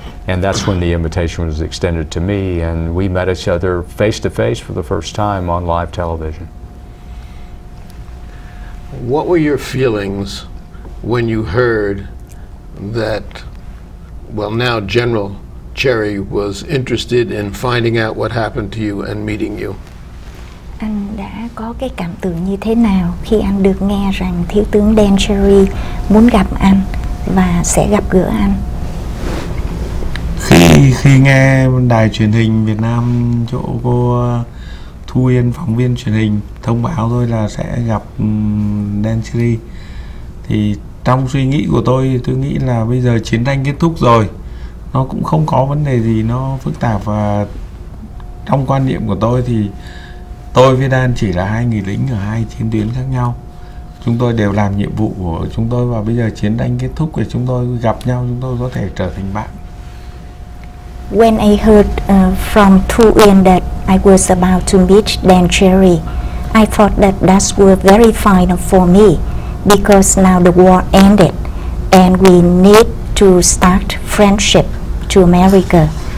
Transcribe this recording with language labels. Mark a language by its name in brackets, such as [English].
[English] And that's when the invitation was extended to me, and we met each other face-to-face for the first time on live television. What were your feelings when you heard that, well, now General Cherry was interested in finding out what happened to you and meeting you? [Vietnamese] Anh đã có cái cảm tưởng như thế nào khi anh được nghe rằng Thiếu tướng Dan Cherry muốn gặp anh và sẽ gặp gỡ anh? Khi nghe đài truyền hình Việt Nam chỗ cô Thu Yên phóng viên truyền hình thông báo tôi là sẽ gặp Dan Cherry thì trong suy nghĩ của tôi nghĩ là bây giờ chiến tranh kết thúc rồi, nó cũng không có vấn đề gì nó phức tạp, và trong quan niệm của tôi thì tôi với Dan chỉ là hai người lính ở hai chiến tuyến khác nhau, chúng tôi đều làm nhiệm vụ của chúng tôi, và bây giờ chiến tranh kết thúc thì chúng tôi gặp nhau, chúng tôi có thể trở thành bạn. [English] When I heard from Nguyen that I was about to meet Dan Cherry, I thought that that was very fine for me, because now the war ended and we need to start friendship to America.